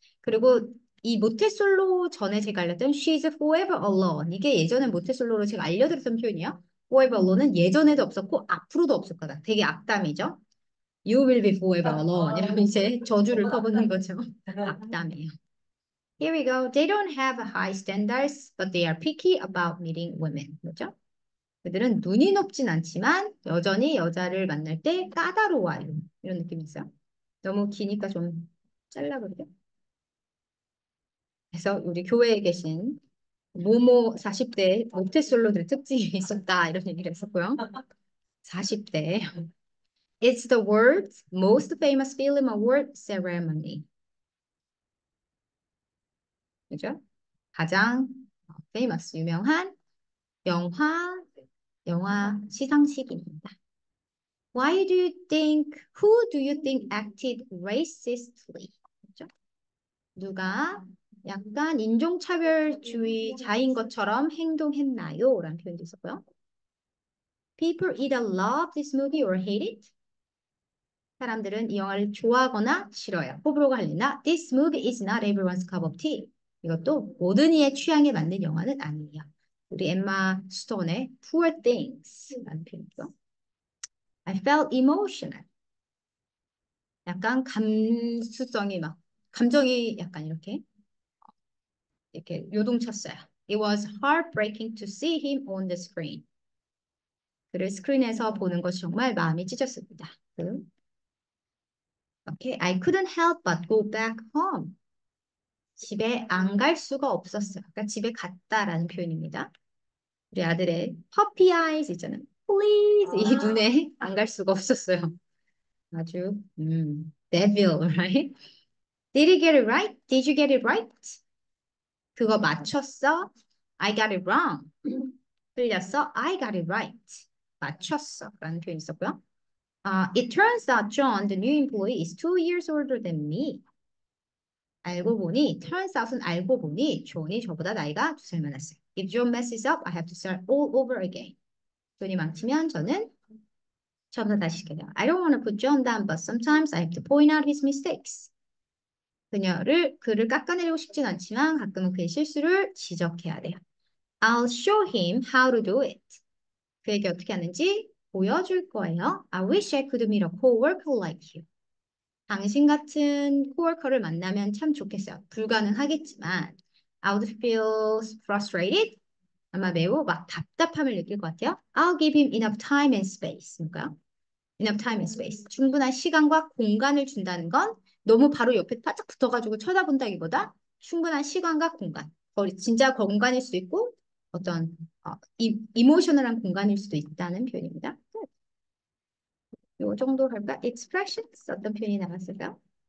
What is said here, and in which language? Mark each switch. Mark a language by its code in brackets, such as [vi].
[ko] 그리고 이 모태솔로 전에 제가 알렸던 [en] she's forever alone [ko] 이게 예전에 모태솔로로 제가 알려드렸던 표현이에요. Forever alone은 예전에도 없었고 앞으로도 없을 거다. 되게 악담이죠. [en] You will be forever alone. [ko] 이러면 이제 저주를 퍼붓는 거죠. 악담이에요. [en] Here we go. They don't have high standards, but they are picky about meeting women. [ko] 그렇죠? 그들은 눈이 높진 않지만 여전히 여자를 만날 때 까다로워요. 이런 느낌이 있어요. 너무 기니까 좀 잘라버리죠. 그래서 우리 교회에 계신 모모 40대 모태솔로들 특징이 있었다 이런 얘기를 했었고요. 40대. [en] It's the world's most famous film award ceremony. [ko] 그죠? 가장 famous 유명한 영화 시상식입니다. [en] Why do you think, who do you think acted racistly? [ko] 누가 약간 인종차별주의자인 것처럼 행동했나요? 라는 표현도 있었고요. [en] People either love this movie or hate it. [ko] 사람들은 이 영화를 좋아하거나 싫어요. 호불호가 갈리나? [en] This movie is not everyone's cup of tea. [ko] 이것도 모든 이의 취향에 맞는 영화는 아니에요. 우리 엠마 스톤의 Poor Things라는 표현도. [en] I felt emotional. [ko] 약간 감수성이 막 감정이 약간 이렇게. 이렇게 요동쳤어요. [en] It was heartbreaking to see him on the screen. [ko] 그를 스크린에서 보는 것이 정말 마음이 찢었습니다. 그. [en] Okay, I couldn't help but go back home. [ko] 집에 안갈 수가 없었어요. 그러니까 집에 갔다라는 표현입니다. 우리 아들의 puppy eyes 있잖아요. Please 이 눈에 안갈 수가 없었어요. [en] 아주 devil, right? Did he get it right? Did you get it right? [ko] 그거 맞췄어? [en] I got it wrong. [ko] 틀렸어? [en] I got it right. [ko] 맞췄어. 라는 표현이 있었고요. [en] It turns out John, the new employee, is 2 years older than me. [ko] 알고 보니, turns out은 알고 보니, 존이 저보다 나이가 2살 많았어요. [en] If John messes up, I have to start all over again. [ko] 존이 망치면 저는 처음부터 다시 시켜요. [en] I don't want to put John down, but sometimes I have to point out his mistakes. [ko] 그를 깎아내리고 싶진 않지만 가끔은 그의 실수를 지적해야 돼요. [en] I'll show him how to do it. [ko] 그에게 어떻게 하는지 보여줄 거예요. [en] I wish I could meet a coworker like you. [ko] 당신 같은 코워커를 만나면 참 좋겠어요. 불가능하겠지만 [en] I would feel frustrated. [ko] 아마 매우 막 답답함을 느낄 것 같아요. [en] I'll give him enough time and space. [ko] 그러니까 [en] enough time and space. [ko] 충분한 시간과 공간을 준다는 건 너무 바로 옆에 바짝 붙어가지고 쳐다본다기보다 충분한 시간과 공간, 진짜 공간일 수도 있고 어떤 이모셔널한 공간일 수도 있다는 표현입니다. 이 정도 할까? Expressions 어떤 표현이 나왔을까요?